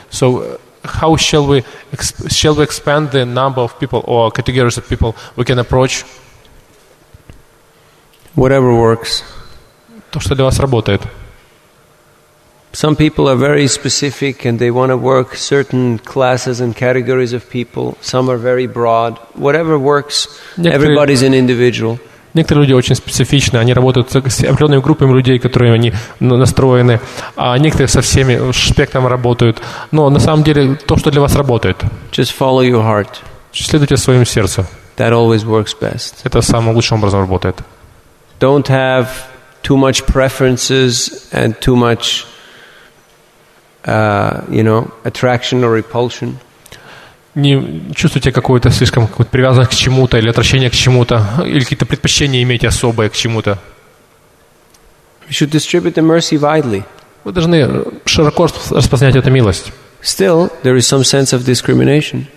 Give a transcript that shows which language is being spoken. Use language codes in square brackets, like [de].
[en] So how shall we expand the number of people or categories of people we can approach? Whatever works. [ru] То, что для вас работает. [en] Some people are very specific and they want to work certain classes and categories of people. Some are very broad. Whatever works, everybody's an individual. [ru] Некоторые люди очень специфичны, они работают с определенными группами людей, которыми они настроены, а некоторые со всеми спектром работают. Но на самом деле то, что для вас работает. [en] Just follow your heart. [ru] Следуйте своему сердцу. [en] That always works best. [ru] Это самым лучшим образом работает. [en] Don't have too much preferences and too much attraction or repulsion. [ru] Не чувствуете какое-то слишком какое-то привязанность к чему-то или отвращение к чему-то или какие-то предпочтения иметь особые к чему-то. [en] We should distribute the mercy widely. [ru] Вы должны широко распространять эту милость. [en] Still, there is some sense of discrimination.